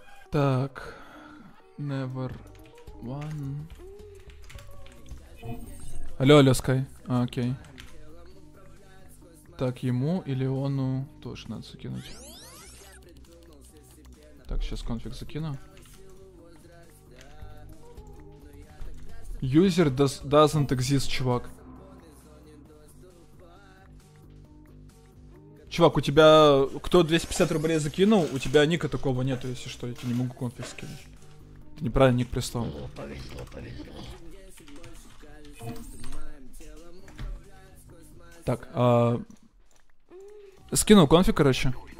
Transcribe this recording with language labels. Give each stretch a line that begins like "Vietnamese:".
English: Так. Never one.
Russian: Алло, алло, Скай. А, окей. Так, ему или ону тоже надо закинуть. Так, сейчас конфиг закину.
English: User doesn't exist, чувак.
Russian: Чувак, у тебя... Кто 250 рублей закинул, у тебя ника такого нету, если что, я тебе не могу конфиг скинуть. Ты неправильно ник прислал. Так, скинул конфиг, короче.